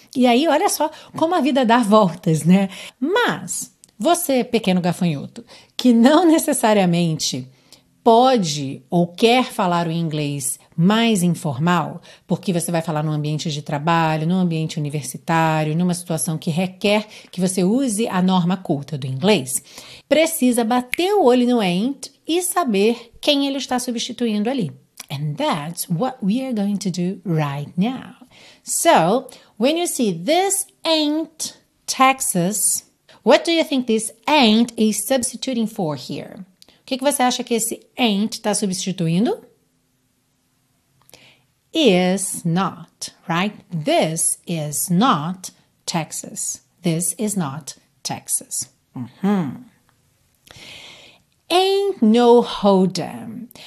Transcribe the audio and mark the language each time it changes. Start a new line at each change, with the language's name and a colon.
Portuguese: E aí olha só como a vida dá voltas, né? Mas você, pequeno gafanhoto, que não necessariamente pode ou quer falar o inglês mais informal, porque você vai falar num ambiente de trabalho, num ambiente universitário, numa situação que requer que você use a norma culta do inglês, precisa bater o olho no ain't e saber quem ele está substituindo ali.
English: And that's what we are going to do right now. So, when you see this ain't Texas, what do you think this ain't is substituting for here?
Portuguese: O que você acha que esse ain't está substituindo?
English: Is not, right? This is not Texas. This is not Texas. Uhum. Ain't no hold'em.